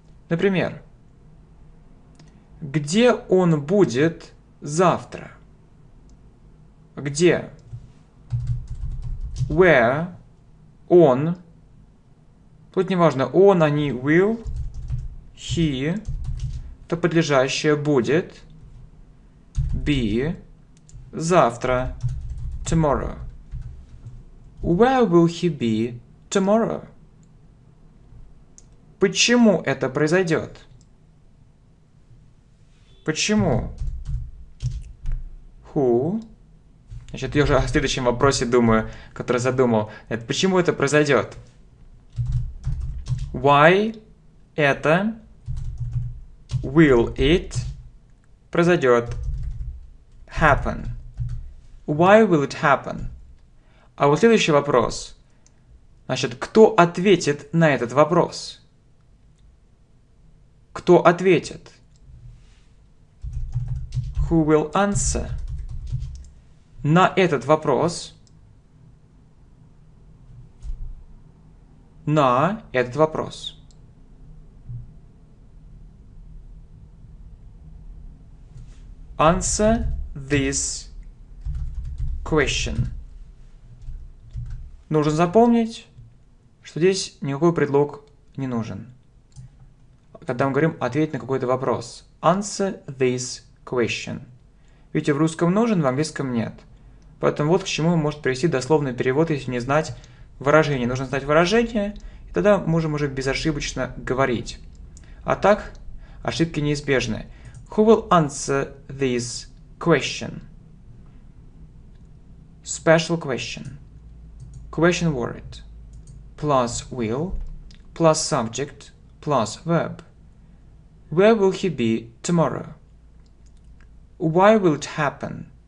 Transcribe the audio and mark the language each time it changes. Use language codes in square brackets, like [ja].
[ru] Например. Где он будет завтра? Где? Where? Он? Тут неважно, он, они, will, he, то подлежащее будет, be, завтра, tomorrow. [en] Where will he be tomorrow? [ru] Почему это произойдет? Почему? [en] Who? [ru] Значит, я уже о следующем вопросе думаю, который задумал. Это почему это произойдет? [en] Why это will it произойдет happen? Why will it happen? [ru] А вот следующий вопрос. Значит, кто ответит на этот вопрос? Кто ответит? [en] Who will answer [ru] на этот вопрос? На этот вопрос. [en] Answer this question. [ru] Нужно запомнить, что здесь никакой предлог не нужен. Когда мы говорим «ответь на какой-то вопрос». [en] Answer this question. [ru] Видите, в русском нужен, в английском нет. Поэтому вот к чему может привести дословный перевод, если не знать выражение. Нужно знать выражение, и тогда можем уже безошибочно говорить. А так, ошибки неизбежны. [en] Who will answer this question? Special question. Question word. Plus will. Plus subject. Plus verb. Where will he be tomorrow? Why will it happen?